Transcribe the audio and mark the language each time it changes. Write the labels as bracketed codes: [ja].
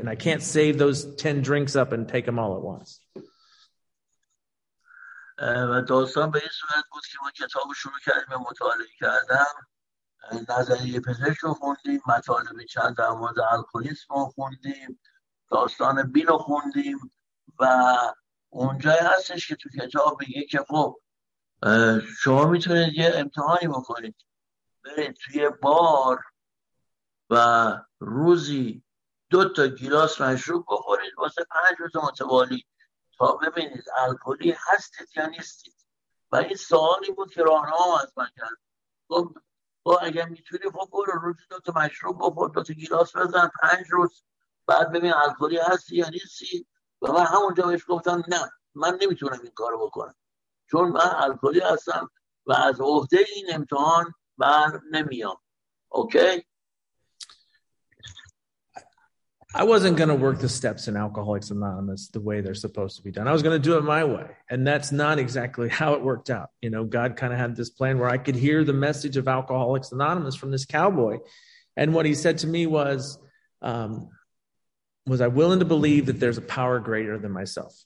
[en] And I can't save those 10 drinks up and take them all at once. [fa] و داستان به این صورت بود که ما کتاب شروع کردیم و مطالعه کردم، نظریه پزشک رو خوندیم، مطالب چند در مورد الکلیسم رو خوندیم، داستان بیل رو خوندیم و اونجایی هستش که تو کتاب میگه که خب شما میتونید یه امتحانی بکنید، برید توی بار و روزی 2 گلاس مشروب بخورید واسه 5 روز متوالی تا ببینید الکلی هستید یا نیستید. و این سوالی بود که راهنما از من کرد، خب اگه میتونی خب برو روزی 2 مشروب بخور، 2 گلاس بزن 5 روز، بعد ببین الکلی هستی یا نیستی. و من همونجا بهش گفتم نه، من نمیتونم این کارو بکنم چون من الکلی هستم و از عهده این امتحان بر نمیام. اوکی. [en] I wasn't going to work the steps in Alcoholics Anonymous the way they're supposed to be done. I was going to do it my way. And that's not exactly how it worked out. You know, God kind of had this plan where I could hear the message of Alcoholics Anonymous from this cowboy. And what he said to me was I willing to believe that there's a power greater than myself?